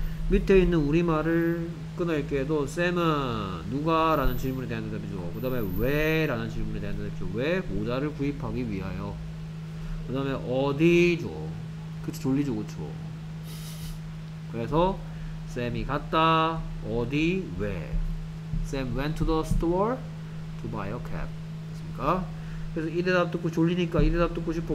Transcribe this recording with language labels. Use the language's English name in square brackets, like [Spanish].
[Korean] 밑에 있는 우리말을 끊을게도 Sam은 누가 라는 질문에 대한 대답이죠. 그 다음에 왜 라는 질문에 대한 대답이죠. 왜? 모자를 구입하기 위하여. 그 다음에 어디죠. 그치, 졸리죠. 그쵸. 그래서 샘이 갔다, 어디, 왜. [English] Sam went to the store to buy a cap. [Korean] 됐습니까? 그래서 이 대답 듣고 졸리니까 이 대답 듣고 싶어.